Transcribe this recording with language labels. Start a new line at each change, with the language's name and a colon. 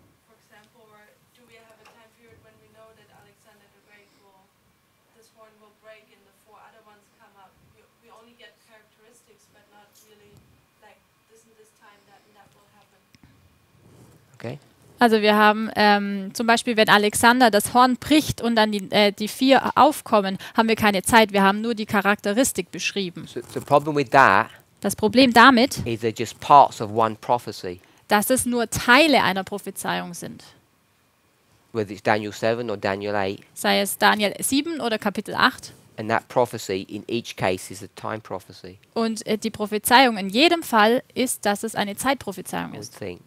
English: For example, or do we have a time period when we know that Alexander the Great this horn will break and the four other ones come up? We only get characteristics, but not really like this and this time that and that will happen. Okay.
German: Also wir haben zum Beispiel, wenn Alexander das Horn bricht und dann die vier aufkommen, haben wir keine Zeit. Wir haben nur die Charakteristik beschrieben.
English: So the problem with that.
German: Das Problem damit
English: is just parts of one prophecy.
German: Dass es nur Teile einer Prophezeiung sind.
English: Whether it's Daniel 7 or Daniel 8.
German: Sei es Daniel 7 oder Kapitel 8.
English: And that prophecy in each case is a time prophecy.
German: Und die Prophezeiung in jedem Fall ist, dass es eine Zeitprophezeiung ist.